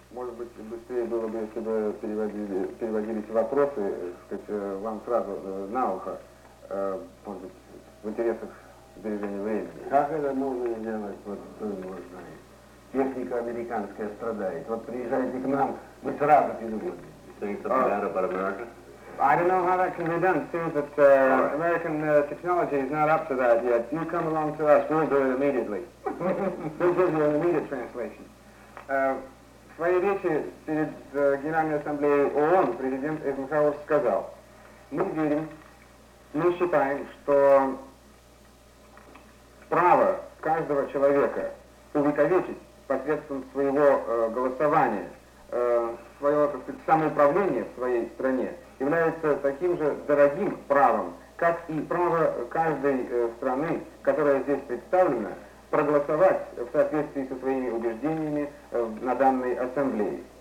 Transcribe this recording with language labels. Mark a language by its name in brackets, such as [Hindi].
[Russian] Может быть, быстрее было бы, если бы переводились вопросы, сказать, вам сразу на ухо, может быть, в интересах сбережения времени. Как это нужно делать, вот кто его знает? Техника американская страдает. Вот приезжайте к нам, мы сразу переводим. [English] I don't know how that can be done. It seems that American technology is not up to that yet. You come along to us, we'll do it immediately. We'll give you an immediate translation. [Russian] В своей речи перед Генеральной Ассамблеей ООН президент Эйзенхауэр сказал: мы верим, мы считаем, что право каждого человека увековечить посредством своего голосования свое, так сказать, самоуправление в своей стране является таким же дорогим правом, как и право каждой страны, которая здесь представлена, проголосовать в соответствии со своими убеждениями на данной ассамблее.